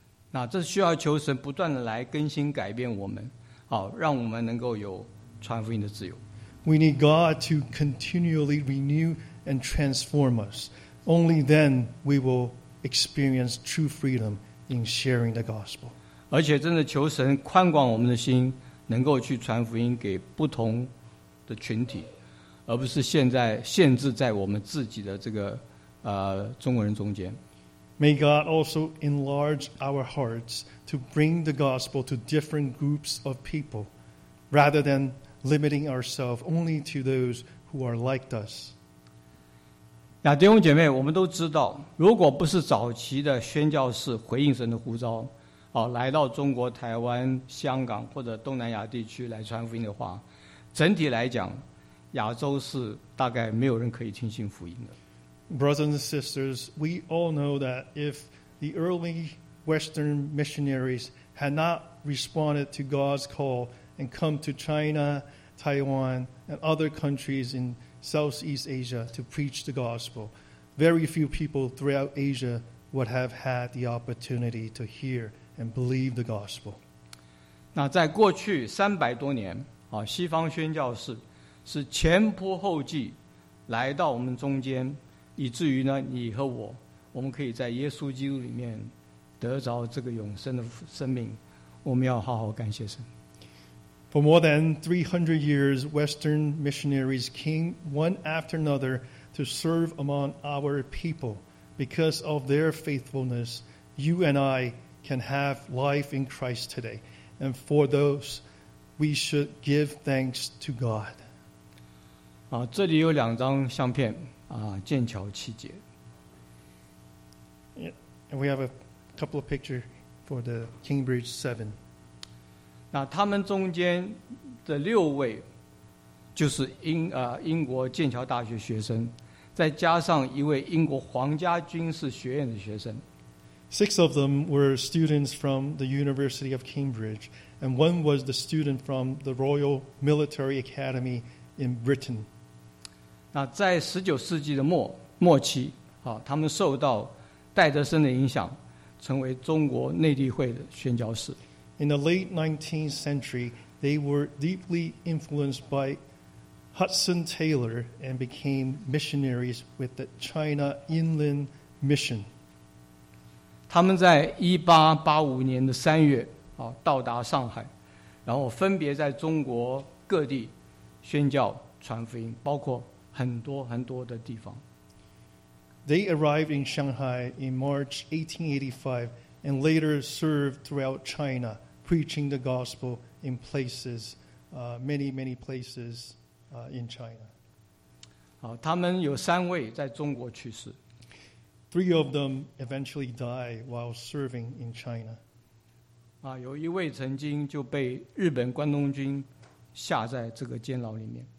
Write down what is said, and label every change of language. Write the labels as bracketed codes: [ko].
[zh] 那这需要求神不断的来更新改变我们，好，让我们能够有传福音的自由。 [en] We need God to continually renew and transform us. Only then we will experience true freedom in sharing the gospel. [zh] 而且真的求神宽广我们的心，能够去传福音给不同的群体，而不是限制在我们自己的这个中国人中间。 [en] May God also enlarge our hearts to bring the gospel to different groups of people, rather than limiting ourselves only to those who are like us. [zh] 那弟兄姐妹，我们都知道，如果不是早期的宣教士回应神的呼召，啊，来到中国、台湾、香港或者东南亚地区来传福音的话，整体来讲，亚洲是大概没有人可以听信福音的。 [en] Brothers and sisters, we all know that if the early Western missionaries had not responded to God's call and come to China, Taiwan, and other countries in Southeast Asia to preach the gospel, very few people throughout Asia would have had the opportunity to hear and believe the gospel. [zh] 那在过去三百多年，啊，西方宣教士是前仆后继来到我们中间。以至于呢，你和我，我们可以在耶稣基督里面得着这个永生的生命，我们要好好感谢神。 [en] For more than 300 years, Western missionaries came one after another to serve among our people. Because of their faithfulness, you and I can have life in Christ today. And for those, we should give thanks to God. [zh] 啊，这里有两张相片，啊，剑桥七节。 [en] And we have a couple of pictures for the Cambridge Seven. [zh] 那他们中间的六位就是英国剑桥大学学生，再加上一位英国皇家军事学院的学生。 [en] Six of them were students from the University of Cambridge, and one was the student from the Royal Military Academy in Britain. [zh] 那在十九世纪的末期，啊，他们受到戴德生的影响，成为中国内地会的宣教士。 [en] In the late 19th century, they were deeply influenced by Hudson Taylor and became missionaries with the China Inland Mission. [zh] 他们在1885年的3月啊到达上海，然后分别在中国各地宣教传福音，包括很多很多的地方。 [en] They arrived in Shanghai in March 1885 and later served throughout China, preaching the gospel in places, many places in China. [zh] 好，他们有三位在中国去世。 [en] Three of them eventually die while serving in China. [zh] 啊，有一位曾经就被日本关东军下在这个监牢里面。